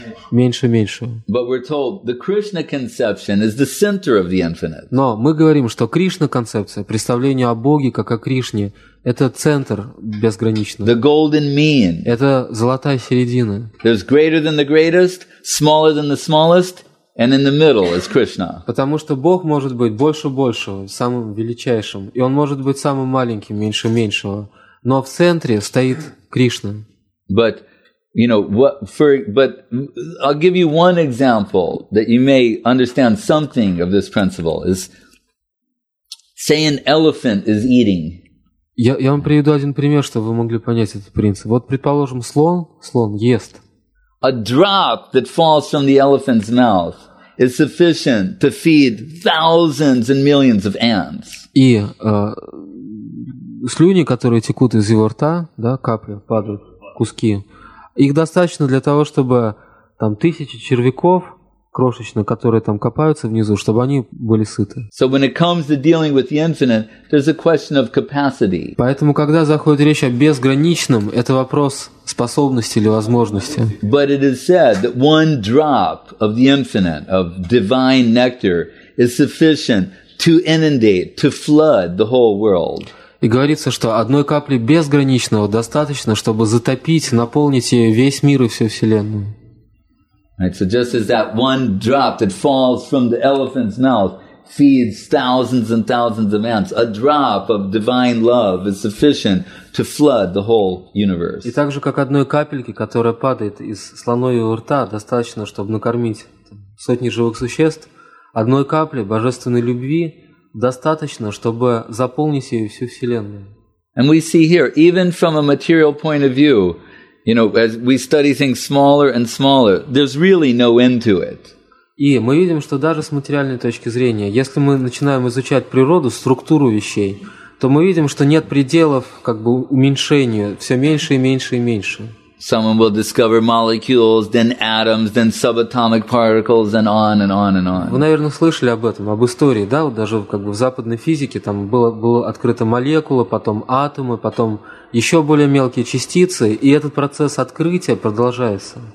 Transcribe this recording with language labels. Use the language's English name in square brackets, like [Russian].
[Russian] Меньше, меньше. [English] But we're told the Krishna conception is the center of the infinite. [Russian] Но мы говорим, что Кришна концепция, представление о Боге как о Кришне, это центр безграничного. [English] The golden mean. [Russian] Это золотая середина. [English] There's greater than the greatest, smaller than the smallest, and in the middle is Krishna. [Russian] Потому что Бог может быть больше большего, самым величайшим, и он может быть самым маленьким, меньше меньшего. Но в центре стоит Кришна. [English] But you know what? For but I'll give you one example that you may understand something of this principle. Is say an elephant is eating. [Russian] Я вам приведу один пример, чтобы вы могли понять этот принцип. Вот предположим слон ест. [English] A drop that falls from the elephant's mouth is sufficient to feed thousands and millions of ants. [Russian] И слюни, которые текут из его рта, да, капли падают, куски, их достаточно для того, чтобы там тысячи червяков крошечных, которые там копаются внизу, чтобы они были сыты. [English] So when it comes to dealing with the infinite, there's a question of capacity. [Russian] Поэтому, когда заходит речь о безграничном, это вопрос способности или возможности. [English] But it is said that one drop of the infinite, of divine nectar, is sufficient to inundate, to flood the whole world. [Russian] И говорится, что одной капли безграничного достаточно, чтобы затопить, наполнить ею весь мир и всю Вселенную. [English] Right, so just as that one drop that falls from the elephant's mouth feeds thousands and thousands of ants, a drop of divine love is sufficient to flood the whole universe. [Russian] И так же, как одной капельки, которая падает из слоновьего рта, достаточно, чтобы накормить сотни живых существ, одной капли божественной любви достаточно, чтобы заполнить ее всю Вселенную. [English] And we see here, even from a material point of view, you know, as we study things smaller and smaller, there's really no end to it. [Russian] И мы видим, что даже с материальной точки зрения, если мы начинаем изучать природу, структуру вещей, то мы видим, что нет пределов, как бы, уменьшению, все меньше и меньше и меньше. [English] Someone will discover molecules, then atoms, then subatomic particles, and on and on and on. [Russian] Вы, наверное, слышали об этом, об истории, да? Вот даже как бы в западной физике там было открыто молекулы, потом атомы, потом еще более мелкие частицы, и этот процесс открытия продолжается.